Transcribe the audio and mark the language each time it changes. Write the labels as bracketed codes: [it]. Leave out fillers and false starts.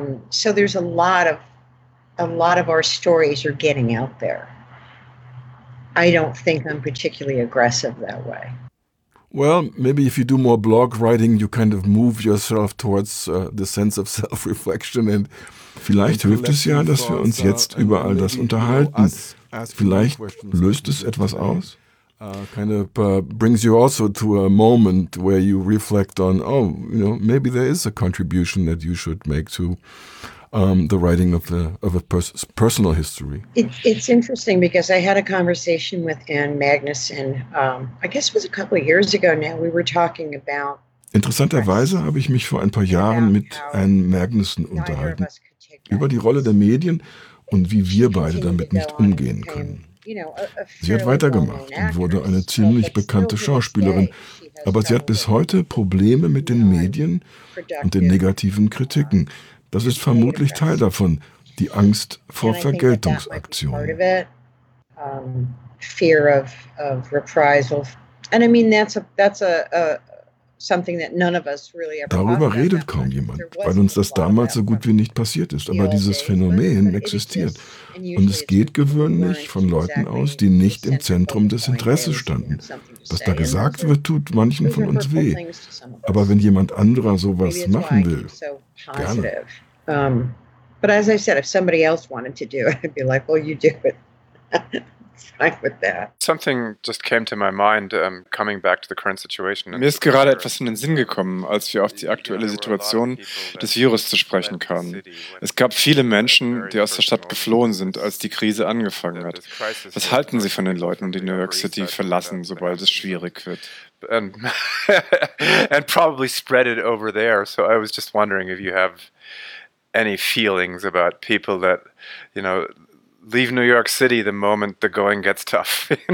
[en] So there's a lot of our stories are getting out there. I don't think I'm particularly aggressive that way. Well, maybe if you do more blog writing, you kind of move yourself towards the sense of self-reflection. And [de] vielleicht hilft es ja, dass wir uns jetzt über all das unterhalten. Vielleicht löst es etwas aus. [en] Brings you also to a moment where you reflect on, oh, you know, maybe there is a contribution that you should make to the writing of a personal history. It's interesting because I had a conversation with Anne Magnusson, I guess it was a couple of years ago now, we were talking about... [de] Interessanterweise habe ich mich vor ein paar Jahren mit Anne Magnusson unterhalten über die Rolle der Medien und wie wir beide damit nicht umgehen können. Sie hat weitergemacht und wurde eine ziemlich bekannte Schauspielerin. Aber sie hat bis heute Probleme mit den Medien und den negativen Kritiken. Das ist vermutlich Teil davon, die Angst vor Vergeltungsaktionen. [en] Fear of reprisal. And I mean, that's a something that none of us really ever. [de] Darüber redet kaum jemand, weil uns das damals so gut wie nicht passiert ist. Aber dieses Phänomen existiert. Und es geht gewöhnlich von Leuten aus, die nicht im Zentrum des Interesses standen. Was da gesagt wird, tut manchen von uns weh. Aber wenn jemand anderer sowas machen will, gerne. [en] But as I said, if somebody else wanted to do it, I'd be like, well, you do it. With that. Something just came to my mind, coming back to the current situation. [de] Mir ist gerade etwas in den Sinn gekommen, als wir auf die aktuelle Situation des Virus zu sprechen kamen. Es gab viele Menschen, die aus der Stadt geflohen sind, als die Krise angefangen hat. Was halten Sie von den Leuten, die New York City verlassen, sobald es schwierig wird? [en] And probably spread it over there. So I was just wondering if you have any feelings about people that, you know, leave New York City the moment the going gets tough.